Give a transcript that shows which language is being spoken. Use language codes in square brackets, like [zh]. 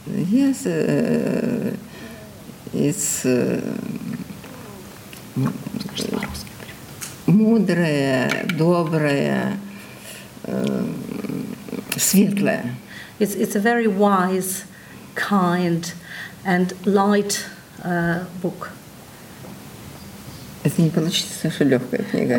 [en] Yes, it's [ru] мудрое, доброе, светлое. [en] It's a very wise, kind, and light book. [ru] Это не получится совсем легкая книга.